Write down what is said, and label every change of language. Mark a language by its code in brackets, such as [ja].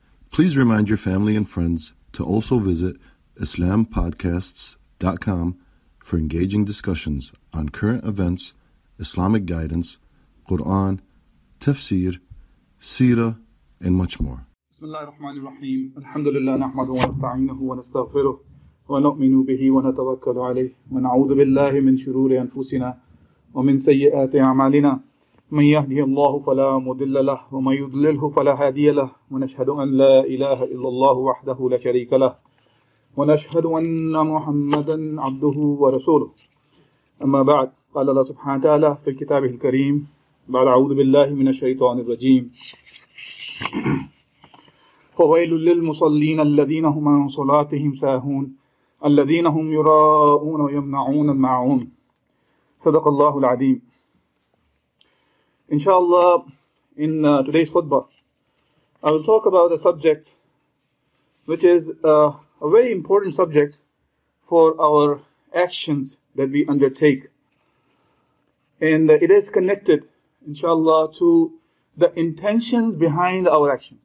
[en] Please remind your family and friends to also visit IslamPodcasts.com for engaging discussions on current events, Islamic guidance, Quran, tafsir, seerah, and much more. [ar] بسم الله الرحمن الرحيم الحمد لله نحمده ونستعينه ونستغفره ونؤمن به ونتوكل عليه ونعوذ بالله من شرور أنفسنا ومن سيئات أعمالنا من يهده الله فلا مضل له ومن يضلله فلا هادي له ونشهد أن لا إله إلا الله وحده لا شريك له ونشهد أن محمدا عبده ورسوله أما بعد قال الله سبحانه وتعالى في كتابه الكريم بعد أعوذ بالله من الشيطان الرجيم فويل للمصلين الذين هم عن صلاتهم ساهون الذين هم يراءون ويمنعون الماعون صدق الله العظيم. [en] Inshallah, in today's khutbah, I will talk about a subject which is a very important subject for our actions that we undertake. And it is connected, inshallah, to the intentions behind our actions.